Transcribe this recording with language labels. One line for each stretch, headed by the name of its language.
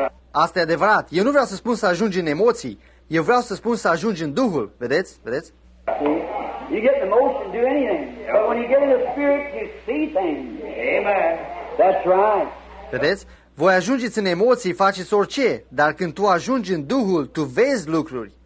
Romanian: Asta e adevărat. Eu nu vreau să spun să ajungi în emoții. Eu vreau să spun să ajungi în Duhul. Vedeți? Vedeți?
English: You get the motion, do anything. But when you get in the spirit, you see things. Amen. That's right.
Romanian: Vedeți? Voi ajungeți în emoții, faceți orice, dar când tu ajungi în Duhul, tu vezi lucruri.